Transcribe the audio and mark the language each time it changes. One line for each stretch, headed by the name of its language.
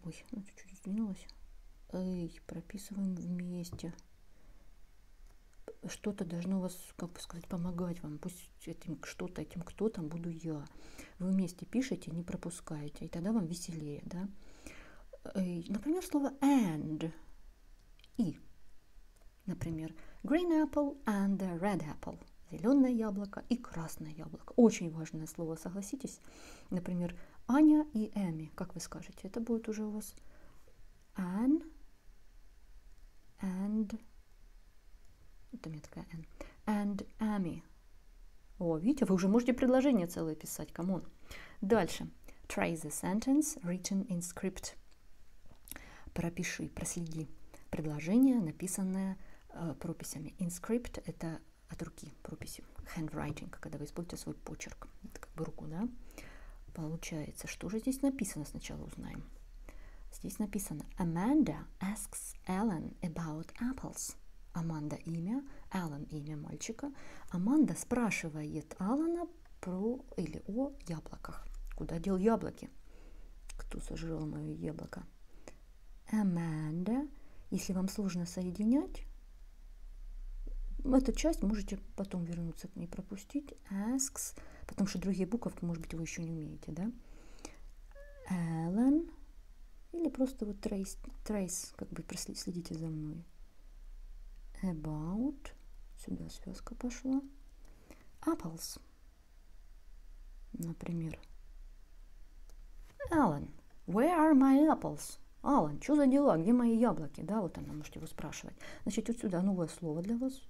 Russian: Ой, ну чуть-чуть сдвинулось. Эй, прописываем вместе. Что-то должно вас, как бы сказать, помогать вам. Пусть этим что-то, этим кто-то буду я. Вы вместе пишете, не пропускаете. И тогда вам веселее, да? Например, слово
English: and.
Russian: И. Например,
English: green apple and a red apple.
Russian: Зеленое яблоко и красное яблоко. Очень важное слово, согласитесь? Например, Аня и Эми. Как вы скажете? Это будет уже у вас an and... Это у меня такая N.
English: And Amy.
Russian: О, видите, вы уже можете предложение целое писать.
English: Come on.
Russian: Дальше.
English: Trace the sentence written in script.
Russian: Пропиши, проследи предложение, написанное прописями.
English: In script
Russian: – это от руки прописью.
English: Handwriting,
Russian: когда вы используете свой почерк. Это как бы руку, да? Получается, что же здесь написано, сначала узнаем. Здесь написано
English: Amanda asks Ellen about apples.
Russian: Аманда имя, Алан имя мальчика. Аманда спрашивает Алана про или о яблоках. Куда дел яблоки? Кто сожрал мое яблоко? Аманда. Если вам сложно соединять, эту часть можете потом вернуться к ней, пропустить.
English: Asks.
Russian: Потому что другие буковки, может быть, вы еще не умеете, да? Алан. Или просто вот
English: trace,
Russian: как бы следите за мной. About, сюда связка пошла. Apples, например.
English: Alan, where are my apples?
Russian: Alan, что за дела, где мои яблоки? Да, вот она, можете его спрашивать. Значит, вот сюда новое слово для вас.